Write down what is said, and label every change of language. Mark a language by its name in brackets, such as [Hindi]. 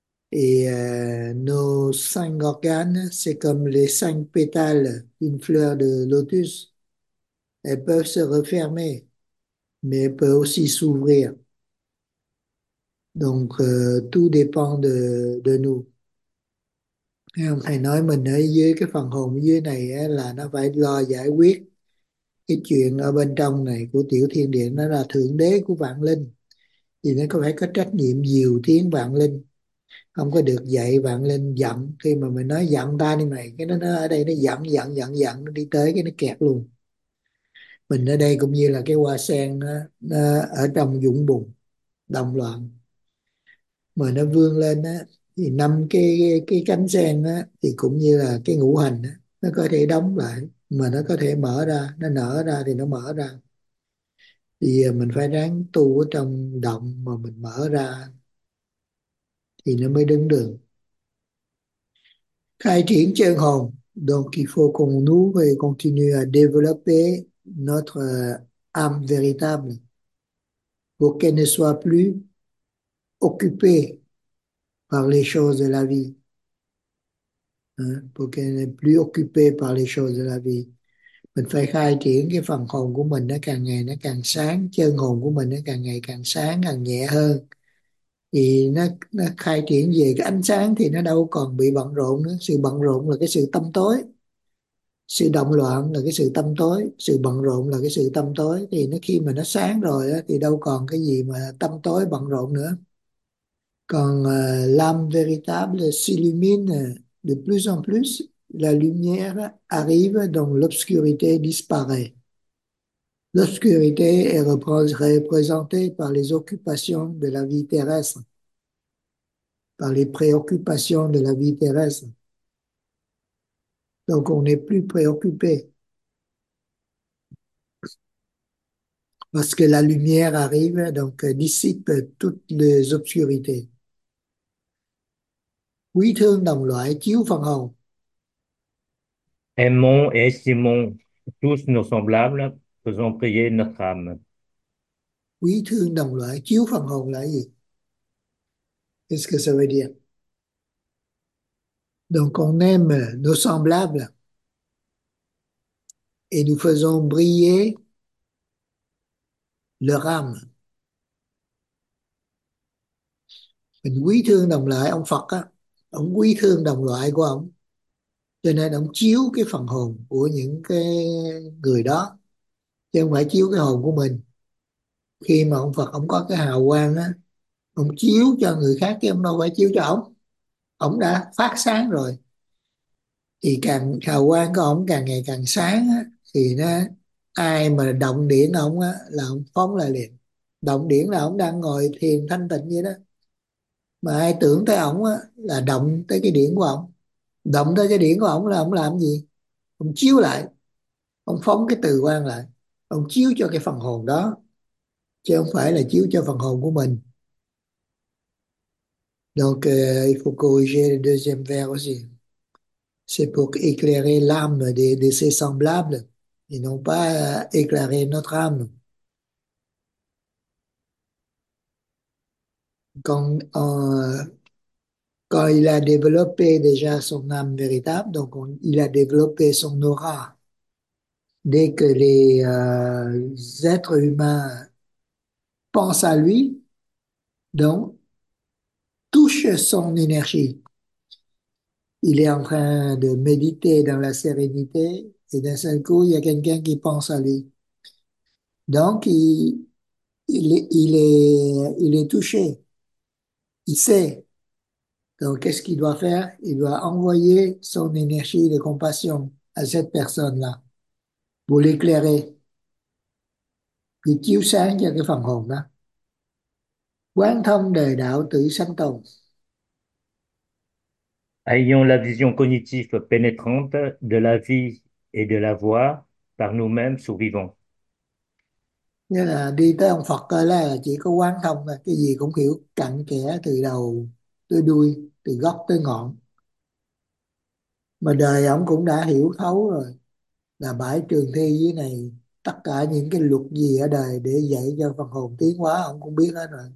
[French] Et nos cinq organes, c'est comme les cinq pétales d'une fleur de lotus. Elles peuvent se refermer, mais elles peuvent aussi s'ouvrir. Donc, tout dépend de nous. [Vietnamese] Et ông thầy nói mình ở dưới cái phần hồn dưới này là nó phải lo giải quyết cái chuyện ở bên trong này của tiểu thiên địa, nó là thượng đế của vạn linh thì nó có phải có trách nhiệm diều tiến vạn linh, không có được dạy vạn linh giận. Khi mà mình nói giận ta đi mày, cái nó ở đây nó giận giận giận giận, nó đi tới cái nó kẹt luôn. Mình ở đây cũng như là cái hoa sen nó ở trong vũng bùn đồng loạn mà nó vươn lên á, thì năm cái cánh sen á thì cũng như là cái ngũ hành á, nó có thể đóng lại mà nó có thể mở ra, nó nở ra thì nó mở ra. Thì mình phải ráng tu ở trong động mà mình mở ra thì nó mới đứng được. Khai triển chân hồn, [French] donc il faut qu'on ouvre et continue à développer notre âme véritable pour qu'elle ne soit plus occupée par les choses de la vie. Hein? Pour qu'elle n'est plus occupée par les choses de la vie. [Vietnamese] Mình phải khai triển cái phần hồn của mình, nó càng ngày nó càng sáng, chân hồn của mình nó càng ngày càng sáng, càng nhẹ hơn. Thì nó khai triển về cái ánh sáng thì nó đâu còn bị bận rộn nữa. Sự bận rộn là cái sự tâm tối. Sự động loạn là cái sự tâm tối. Sự bận rộn là cái sự tâm tối. Thì nó khi mà nó sáng rồi đó, thì đâu còn cái gì mà tâm tối bận rộn nữa. [French] Còn l'âme véritable s'illumine de plus en plus. La lumière arrive dont l'obscurité disparaît. L'obscurité est représentée par les occupations de la vie terrestre, par les préoccupations de la vie terrestre. Donc on n'est plus préoccupé parce que la lumière arrive, donc dissipe toutes les obscurités. [Vietnamese] Oui, thương đồng loại chiếu phần hồn. [French] Aimons et estimons tous nos semblables, faisons prier notre âme. [Vietnamese] Quý thương đồng loại chiếu phần hồn là gì? [French] Qu'est-ce que ça veut dire? Donc on aime nos semblables et nous faisons briller leur âme. [Vietnamese] Mình quý thương đồng loại ông Phật á, ông quý thương đồng loại của ông. Cho nên ông chiếu cái phần hồn của những cái người đó, chứ không phải chiếu cái hồn của mình. Khi mà ông Phật ông có cái hào quang á, ông chiếu cho người khác chứ ông đâu phải chiếu cho ông. Ông đã phát sáng rồi thì càng hào quang của ông càng ngày càng sáng á, thì nó ai mà động điển ông á là ông phóng lại liền. Động điển là ông đang ngồi thiền thanh tịnh vậy đó, mà ai tưởng tới ông á là động tới cái điển của ông. Động tới cái điển của ông là ông làm gì? Ông chiếu lại, ông phóng cái từ quang lại, ông chiếu cho cái phần hồn đó chứ không phải là chiếu cho phần hồn của mình. [French] Donc, il faut corriger le deuxième vers aussi. C'est pour éclairer l'âme de ses semblables et non pas éclairer notre âme. Quand il a développé déjà son âme véritable, donc il a développé son aura. Dès que les êtres humains pensent à lui, donc touchent son énergie. Il est en train de méditer dans la sérénité et d'un seul coup, il y a quelqu'un qui pense à lui. Donc, il est touché. Il sait. Donc, qu'est-ce qu'il doit faire? Il doit envoyer son énergie de compassion à cette personne-là pour l'éclairer. [Vietnamese] Puis, chiếu sáng cho cái phần hồn đó. Quán thông đời đạo tự sanh tồn. [French] Ayons la vision cognitive pénétrante de la vie et de la voir par nous-mêmes survivants. [Vietnamese] Nghĩa là đi tới ông Phật là chỉ có quán thông thôi, cái gì cũng hiểu cặn kẽ từ đầu tới đuôi, từ gốc tới ngọn. Mà đời ông cũng đã hiểu thấu rồi, là bãi trường thi dưới này, tất cả những cái luật gì ở đời để dạy cho phần hồn tiến hóa ông cũng biết hết rồi.